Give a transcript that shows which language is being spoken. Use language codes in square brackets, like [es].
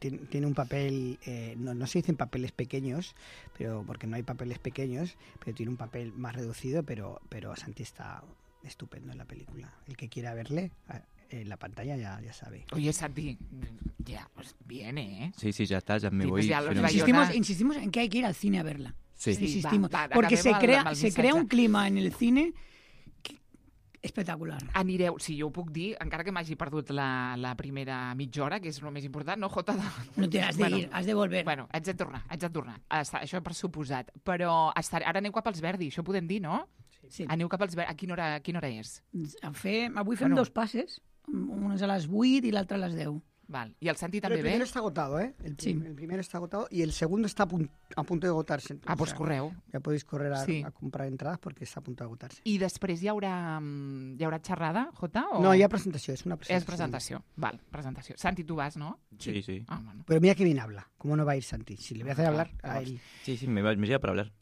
[es] Tiene un papel, no se dicen papeles pequeños, pero porque no hay papeles pequeños, pero tiene un papel más reducido, pero Santi está estupendo en la película. El que quiera verle en la pantalla ya sabe. Oye, Santi, ya pues viene, ¿eh? Sí, sí, ya está, ya me voy. Insistimos en que hay que ir al cine a verla. Sí. Insistimos. Porque se crea un clima en el cine... Espectacular. [ca] Anireu, si jo ho puc dir, encara que m'hagi perdut la primera mitja hora, que és el més important, no, Jota? No t'hi has d'ir, [es] has de volver. [ca] Bueno, haig de tornar. Això per suposat. Però ara aneu cap als Verdi, això podem dir, no? Sí. Aneu cap als Verdi. A quina hora és? Avui fem dos passes. Un és a les 8 i l'altre a les 10. Val. I el Santi també ve? El primer està agotado, eh? Sí. El primer està agotado i el segon està a punt d'agotar-se. Ah, doncs correu. Ja podeu correr a comprar entrades perquè està a punt d'agotar-se. I després hi haurà xerrada, Jota? No, hi ha presentació, és una presentació. És presentació, val, presentació. Santi, tu vas, no? Sí, sí. Ah, bueno. [es] Però mira que bien habla. ¿Cómo no va a ir Santi? Si le voy a hacer hablar a él. Sí, sí, me lleva para hablar.